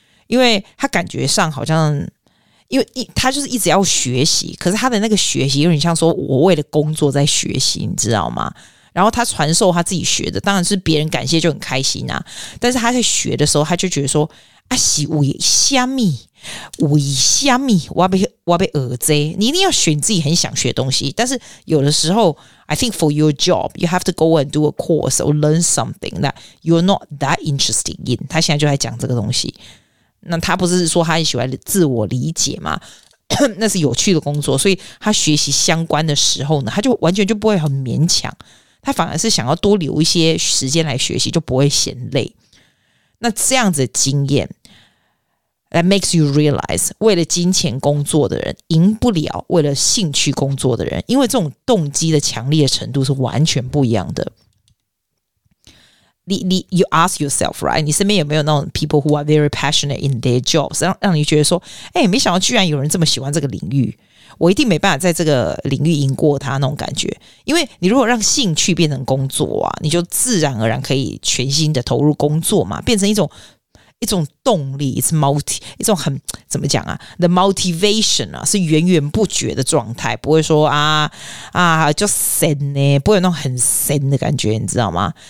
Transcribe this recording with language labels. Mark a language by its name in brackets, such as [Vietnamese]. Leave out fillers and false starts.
[Chinese] 因为他感觉上好像因为他就是一直要学习，可是他的那个学习有点像说我为了工作在学习，你知道吗？然后他传授他自己学的，当然是别人感谢就很开心啊。但是他在学的时候，他就觉得说啊，是为什么？为什么？我要被耳塞。你一定要选自己很想学的东西。但是有的时候 [English] ，I think for your job, you have to go and do a course or learn something that you're not that interested in。 [Chinese] 他现在就在讲这个东西。那他不是说他很喜欢自我理解吗？那是有趣的工作，所以他学习相关的时候呢，他就完全就不会很勉强，他反而是想要多留一些时间来学习，就不会嫌累。那这样子的经验 [English] that makes you realize [Chinese] 为了金钱工作的人赢不了为了兴趣工作的人，因为这种动机的强烈程度是完全不一样的。 [English] You ask yourself, right? [Chinese] 你身边有没有那种 [English] people who are very passionate in their jobs? [Chinese] 让你觉得说，哎，没想到居然有人这么喜欢这个领域，我一定没办法在这个领域赢过他那种感觉。因为你如果让兴趣变成工作啊，你就自然而然可以全心的投入工作嘛，变成一种动力，一种很怎么讲啊 ？The motivation 啊，是源源不绝的状态，不会说啊就闲呢，不会有那种很闲的感觉，你知道吗？